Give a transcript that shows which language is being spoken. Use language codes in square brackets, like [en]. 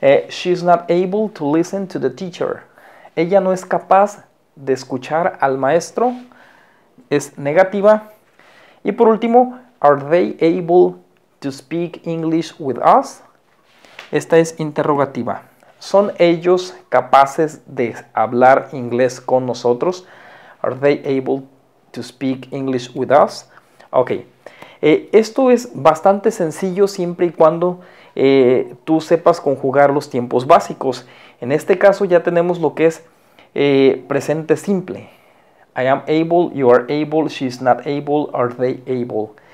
[en] She's not able to listen to the teacher. [es] Ella no es capaz de escuchar al maestro. Es negativa. Y por último, [en] are they able to speak English with us? [es] Esta es interrogativa. ¿Son ellos capaces de hablar inglés con nosotros? [en] Are they able to speak English with us? Ok. [es] Esto es bastante sencillo siempre y cuando tú sepas conjugar los tiempos básicos. En este caso ya tenemos lo que es presente simple. [en] I am able, you are able, she's not able, are they able.